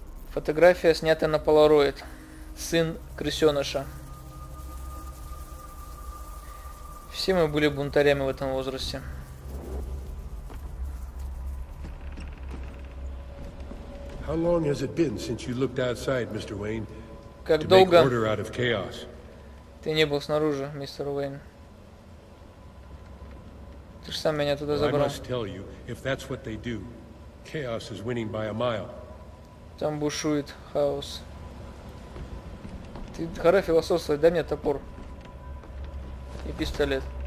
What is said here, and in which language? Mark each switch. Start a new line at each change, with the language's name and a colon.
Russian: Фотография, снятая на полароид. Сын крысёныша. Все мы были бунтарями в этом возрасте.
English: How long has it been since you looked outside, Mr. Wayne?
Russian: Как долго?
English: To make order out of chaos.
Russian: Ты не был снаружи, мистер Уэйн. Ты же сам меня туда забрал.
English: Well, I must tell you, if that's what they do, chaos is winning by a mile.
Russian: Там бушует хаос. Ты хара философствовать, дай мне топор. И пистолет.